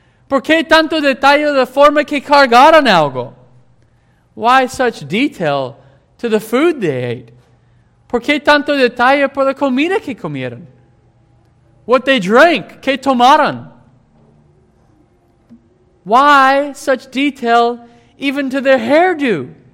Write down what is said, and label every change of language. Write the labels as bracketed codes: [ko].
[es] ¿Por qué tanto detalle de forma que cargaron algo? [en] Why such detail to the food they ate? [es] ¿Por qué tanto detalle por la comida que comieron? [en] What they drank, [es] ¿qué tomaron? [en] Why such detail even to their hairdo?